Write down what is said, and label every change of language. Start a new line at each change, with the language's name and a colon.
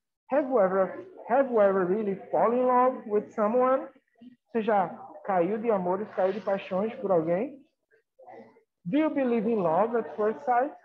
English: Have you ever really fallen in love with someone?
Portuguese: Você já caiu de amores, caiu de paixões por alguém?
English: Do you believe in love at first sight?